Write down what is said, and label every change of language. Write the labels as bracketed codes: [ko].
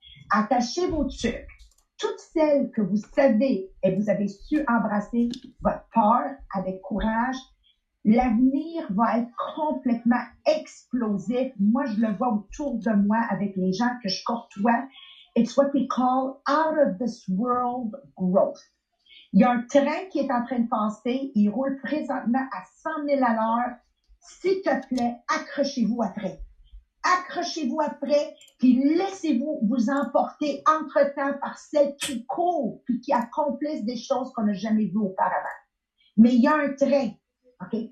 [fr] Attachez vos trucs. Toutes celles que vous savez et vous avez su embrasser votre peur avec courage, l'avenir va être complètement explosif. Moi, je le vois autour de moi avec les gens que je côtoie. [en] It's what we call out of this world growth. [fr] Il y a un train qui est en train de passer. Il roule présentement à 100 000 à l'heure. S'il te plaît, accrochez-vous après. Accrochez-vous après, puis laissez-vous vous emporter entre-temps par celles qui courent, puis qui accomplissent des choses qu'on n'a jamais vues auparavant. Mais il y a un train. OK?